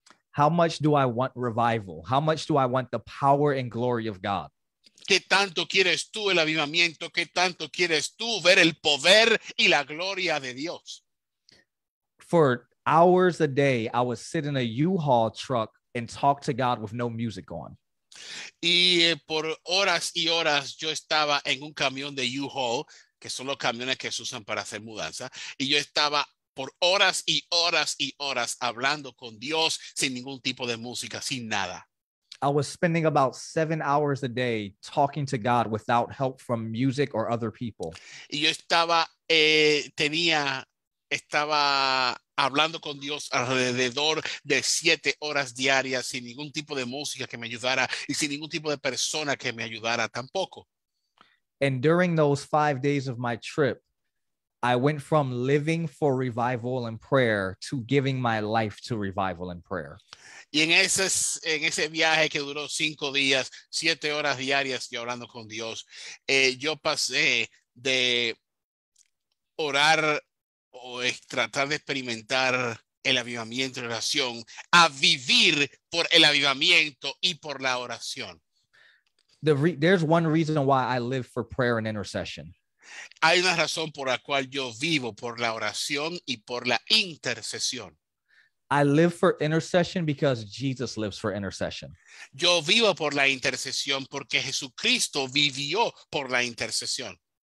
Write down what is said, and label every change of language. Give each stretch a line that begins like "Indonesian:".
English: How much do I want revival? How much do I want the power and glory of God?
Spanish: ¿Qué tanto quieres tú el avivamiento? ¿Qué tanto quieres tú ver el poder y la gloria de Dios?
English: For hours a day, I would sit in a U-Haul truck and talk to God with no music on.
Spanish: Y por horas y horas, yo estaba en un camión de U-Haul, que son los camiones que se usan para hacer mudanza, y yo estaba por horas y horas y horas hablando con Dios sin ningún tipo de música, sin nada.
English: I was spending about 7 hours a day talking to God without help from music or other people.
Spanish: Y yo estaba, estaba hablando con Dios alrededor de 7 horas diarias sin ningún tipo de música que me ayudara y sin ningún tipo de persona que me ayudara tampoco.
English: And during those 5 days of my trip, I went from living for revival and prayer to giving my life to revival and prayer.
Spanish: Y en ese viaje que duró 5 días, 7 horas diarias y hablando con Dios, yo pasé de orar o tratar de experimentar el avivamiento y oración a vivir por el avivamiento y por la oración.
English: There's one reason why I live for prayer and intercession.
Spanish: Hay una razón por la cual yo vivo, por la oración y por la intercesión.
English: I live for intercession because Jesus lives for intercession.
Spanish: Yo vivo por la intercesión porque Jesucristo vivió por la intercesión.